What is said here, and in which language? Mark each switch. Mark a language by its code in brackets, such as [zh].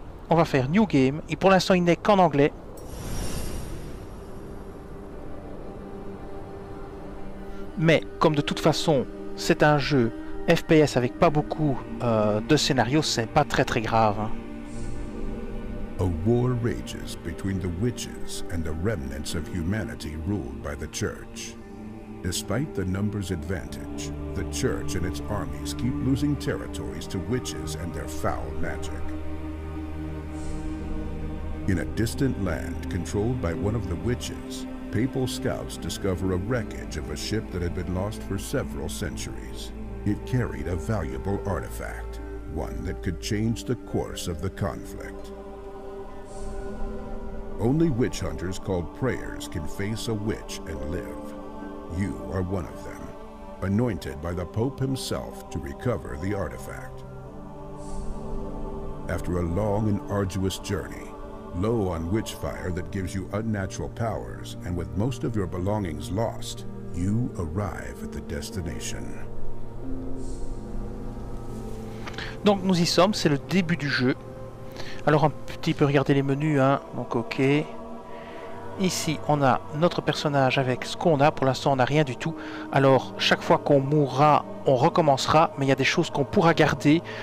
[fr] On va faire New Game, et pour l'instant il n'est qu'en anglais. Mais, comme de toute façon, c'est un jeu FPS avec pas beaucoup de scénarios, c'est pas très très grave. [en] A war rages between the witches and the remnants of humanity ruled by the Church. Despite the numbers advantage, the Church and its armies keep losing territories to witches and their foul magic. In a distant land controlled by one of the witches, papal scouts discover a wreckage of a ship that had been lost for several centuries. It carried a valuable artifact, one that could change the course of the conflict. Only witch hunters called prayers can face a witch and live. You are one of them, anointed by the Pope himself to recover the artifact. After a long and arduous journey, low on witchfire that gives you unnatural powers, and with most of your belongings lost, you arrive at the destination. [fr] Donc nous y sommes, c'est le début du jeu. Alors un petit peu regarder les menus, hein. Donc ok. Ici on a notre personnage avec ce qu'on a. Pour l'instant on n'a rien du tout. Alors chaque fois qu'on mourra, on recommencera, mais il y a des choses qu'on pourra garder.